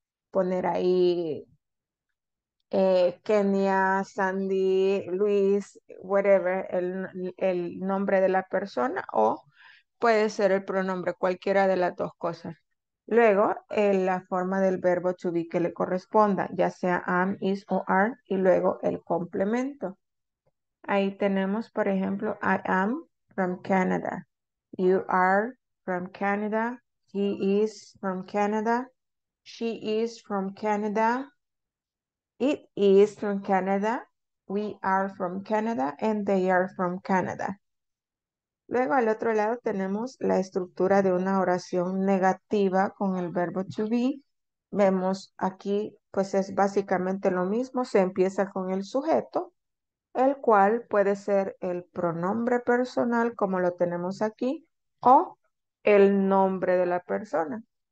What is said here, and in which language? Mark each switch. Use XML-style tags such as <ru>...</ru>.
<es>Poner ahí Kenia, Sandy, Luis, whatever, el nombre de la persona, o puede ser el pronombre, cualquiera de las dos cosas. Luego, la forma del verbo to be que le corresponda, ya sea am, is o are, y luego el complemento. Ahí tenemos, por ejemplo,</es> <en>I am from Canada. You are from Canada, he is from Canada, she is from Canada, it is from Canada, we are from Canada, and they are from Canada.</en> <es>Luego al otro lado tenemos la estructura de una oración negativa con el verbo to be. Vemos aquí, pues es básicamente lo mismo, se empieza con el sujeto, el cual puede ser el pronombre personal como lo tenemos aquí, o el nombre de la persona.</es>